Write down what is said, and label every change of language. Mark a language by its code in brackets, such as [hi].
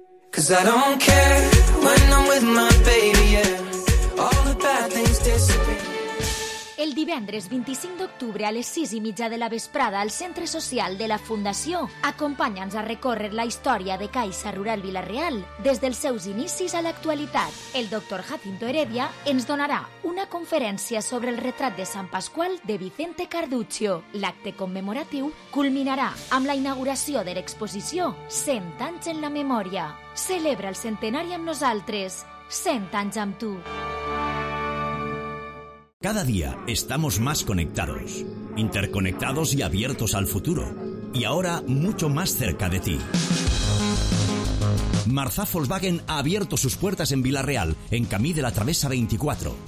[en] Cause I don't care when I'm with my baby, yeah. All the bad things disappear. [ca] El divendres 25 d'octubre a les 6:30 de la vesprada al Centre Social de la Fundació, acompanya'ns a recórrer la història de Caixa Rural Vila-real des dels seus inicis a l'actualitat. El doctor Jacinto Heredia ens donarà una conferència sobre el retrat de Sant Pasqual de Vicente Carduccio. L'acte commemoratiu culminarà amb la inauguració de l'exposició 100 anys en la memòria. Celebra el centenari amb nosaltres. 100 anys amb tu. [es] Cada día estamos más conectados, interconectados y abiertos al futuro. Y ahora mucho más cerca de ti. Marzá Volkswagen ha abierto sus puertas en Vila-real, en Camí de la Travesa 24.